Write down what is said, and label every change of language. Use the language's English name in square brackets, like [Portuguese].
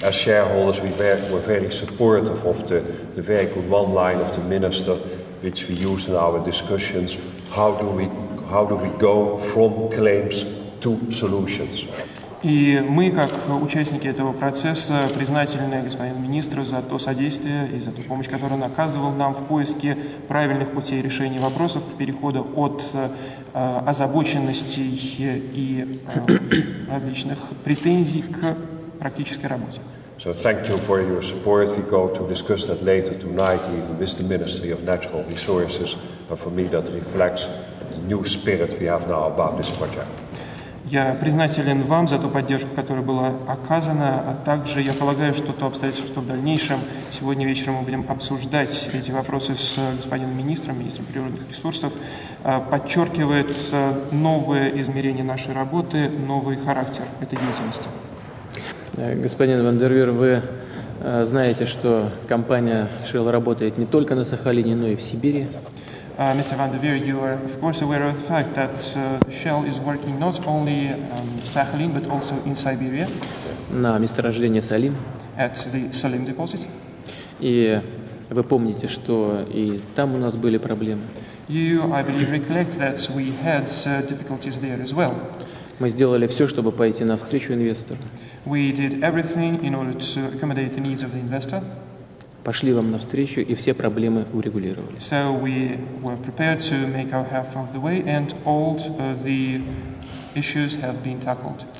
[English] As shareholders, we're very supportive of the very good one line of the minister, which we use in our discussions. How do we go from claims to solutions? [Russian] И мы, как участники этого процесса, признательны господину министру за то содействие и за ту помощь, которую он оказывал нам в поиске правильных путей решения вопросов перехода от озабоченностей и различных претензий к практической работе. [English] So thank you for your support. We go to discuss that later tonight even with the Ministry of Natural Resources. But for me that reflects the new spirit we have now about this project. [Russian] Я признателен вам за ту поддержку, которая была оказана, а также я полагаю, что то обстоятельство, что в дальнейшем, сегодня вечером мы будем обсуждать эти вопросы с господином министром, министром природных ресурсов, подчеркивает новое измерение нашей работы, новый характер этой деятельности. Господин Вандервир, вы знаете, что компания Shell работает не только на Сахалине, но и в Сибири. [English] Mr. Van der Veer, you are of course aware of the fact that Shell is working not only Sakhalin but also in Siberia. [Russian] На месторождение Салим. [English] At the Salim deposit. [Russian] И вы помните, что и там у нас были проблемы. [English] You, I believe, recollect that we had difficulties there as well. [Russian] Мы сделали все, чтобы пойти навстречу инвестору. [English] We did everything in order to accommodate the needs of the investor. [Russian] Пошли вам навстречу и все проблемы урегулировали. [English] So we were prepared to make our half of the way, and all the issues have been tackled.